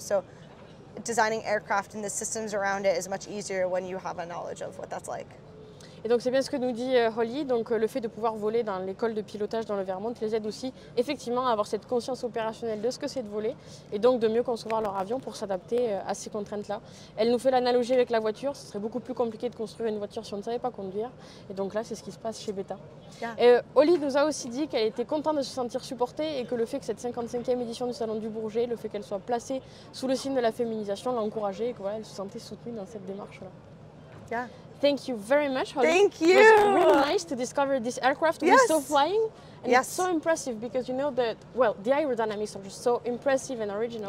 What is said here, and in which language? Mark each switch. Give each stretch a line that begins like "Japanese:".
English: So designing aircraft and the systems around it is much easier when you have a knowledge of what that's like.
French: Et donc, c'est bien ce que nous dit Holly. Donc, le fait de pouvoir voler dans l'école de pilotage dans le Vermont les aide aussi, effectivement, à avoir cette conscience opérationnelle de ce que c'est de voler et donc de mieux concevoir leur avion pour s'adapter à ces contraintes-là. Elle nous fait l'analogie avec la voiture. Ce serait beaucoup plus compliqué de construire une voiture si on ne savait pas conduire. Et donc là, c'est ce qui se passe chez Beta.
English: Yeah.
French: Et Holly nous a aussi dit qu'elle était contente de se sentir supportée et que le fait que cette 55e édition du Salon du Bourget, le fait qu'elle soit placée sous le signe de la féminisation, l'a encouragée et qu'elle se sentait soutenue dans cette démarche-là.
English: Yeah. Thank you very much, Holly. Thank you. It was really nice to discover this aircraft. Yes. We're still flying. And yes. It's so impressive because you know that, well, the aerodynamics are just so impressive and original.